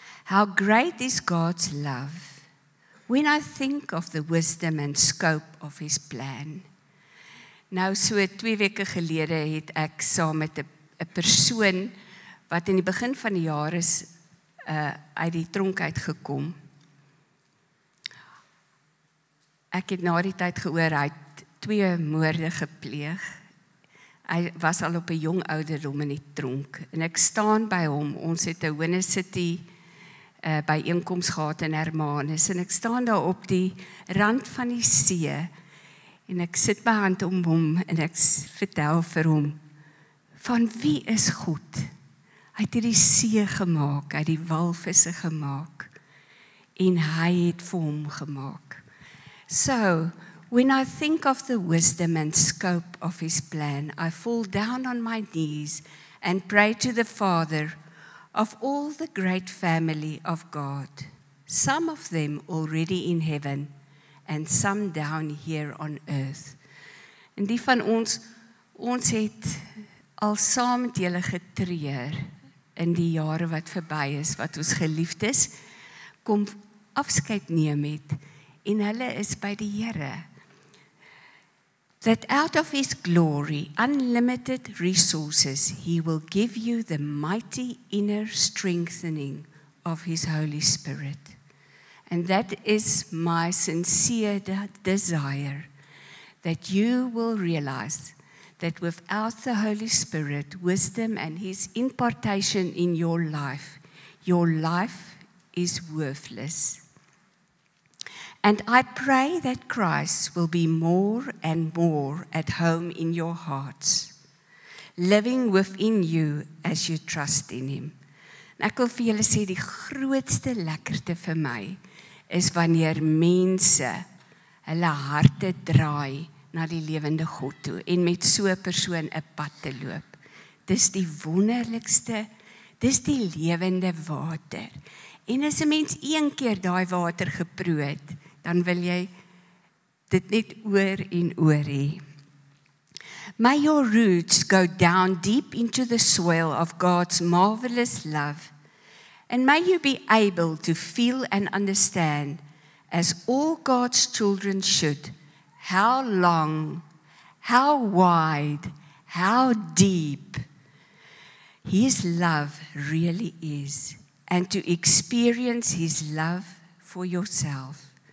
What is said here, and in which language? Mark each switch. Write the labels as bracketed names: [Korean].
[English] How great is God's love when I think of the wisdom and scope of his plan. [Afrikaans] Nou, so 2 weke gelede het ek saam met 'n persoon wat in die begin van die jaar is uit die tronk uitgekom. Ek het na die tyd gehoor, hy het 2 moorde gepleeg. Hy was al op 'n jong ouderdom in die tronk. En ek staan by hom. Ons het 'n Winne City bijeenkoms gehad in Hermanus. En ek staan daar op die rand van die see. En ek sit my hand om hom en ek vertel vir hom. Van wie is God? Hy het die see gemaak. Hy het die walvisse gemaak. En hy het vir hom gemaak. [English] So, when I think of the wisdom and scope of his plan, I fall down on my knees and pray to the Father of all the great family of God, some of them already in heaven and some down here on earth. [Afrikaans] En die van ons, ons het al saam met julle getreur in die jare wat verby is, wat ons geliefdes kom afskeid neem het en hulle is by die Here. [English] That out of his glory, unlimited resources, he will give you the mighty inner strengthening of his Holy Spirit. And that is my sincere desire, that you will realize that without the Holy Spirit, wisdom and his impartation in your life is worthless. And I pray that Christ will be more and more at home in your hearts, living within you as you trust in him. [Afrikaans] En ek wil vir julle sê, die grootste lekkerte vir my is wanneer mense hulle harte draai na die lewende God toe en met so 'n persoon 'n pad te loop. Dis die wonderlikste, dis die lewende water. En as 'n mens een keer daai water geproe het, dan wil jy dit net oor en oor hê. [English] May your roots go down deep into the soil of God's marvelous love And may you be able to feel and understand, as all God's children should, how long, how wide, how deep His love really is, and to experience His love for yourself.